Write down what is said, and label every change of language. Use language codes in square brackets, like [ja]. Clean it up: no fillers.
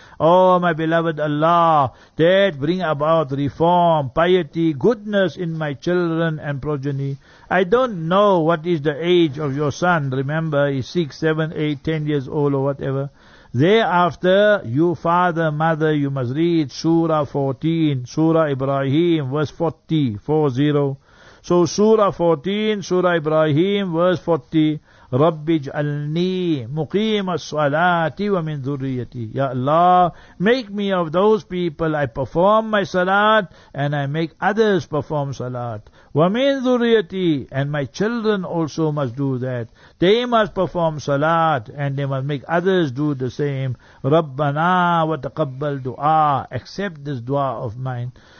[en] Oh, my beloved Allah, that bring about reform, piety, goodness in my children and progeny. I don't know what is the age of your son. Remember, he's 6, 7, 8, 10 years old or whatever. Thereafter, you father, mother, you must read Surah 14, Surah Ibrahim, verse 40, 40. So Surah 14, Surah Ibrahim, verse 40, [ar] رَبِّ جْعَلْنِي مُقِيمَ الصَّلَاةِ وَمِنْ ذُرِّيَّتِي. [en] Ya Allah, make me of those people, I perform my salat, and I make others perform salat. [ar] وَمِنْ ذُرِّيَّتِي, [en] and my children also must do that. They must perform salat, and they must make others do the same. [ar] رَبَّنَا وَتَقَبَّلْ دُعَى. [en] Accept this dua of mine.